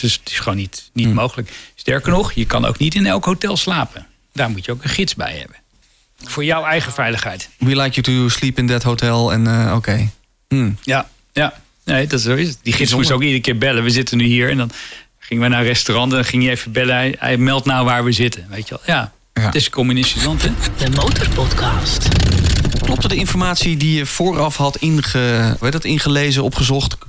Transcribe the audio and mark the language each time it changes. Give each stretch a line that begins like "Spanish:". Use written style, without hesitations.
Dutch: Dus het is gewoon niet mogelijk. Sterker nog, je kan ook niet in elk hotel slapen. Daar moet je ook een gids bij hebben. Voor jouw eigen veiligheid.
English: We like you to sleep in that hotel.
Dutch: Oké. Ja. Nee, dat is zo is het. Die gids moest ook iedere keer bellen. We zitten nu hier en dan gingen we naar een restaurant en dan ging je even bellen. Hij meldt nou waar we zitten. Weet je wel. Ja, het is een communistisch land, hè? De Motorpodcast. Klopte de informatie die je vooraf had ingelezen, opgezocht?